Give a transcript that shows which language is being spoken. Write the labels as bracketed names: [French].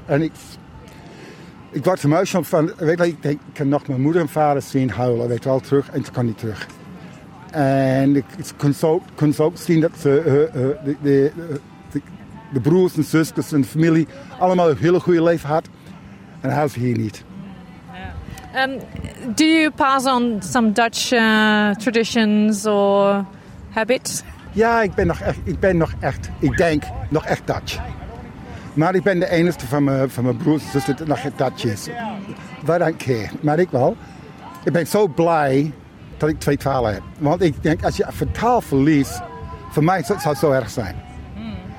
[Dutch] En ik was emotional van, weet je, ik kan nog mijn moeder en vader zien huilen, weet je wel, terug. En ze kan niet terug. En ik kon ook zien dat ze de broers en zusters en de familie allemaal een hele goede leven had. En dat hadden ze hier niet. [English] Do you pass on some Dutch traditions or habits? [Dutch] Ja, ik ben nog echt, ik denk, nog echt Dutch. Maar ik ben de enige van mijn broers en zusters die nog echt Dutch is. Wij [English] don't care, [Dutch] maar ik wel. Ik ben zo blij dat ik twee talen heb. Want ik denk, als je een taal verliest, voor mij zou het zo erg zijn. Mm.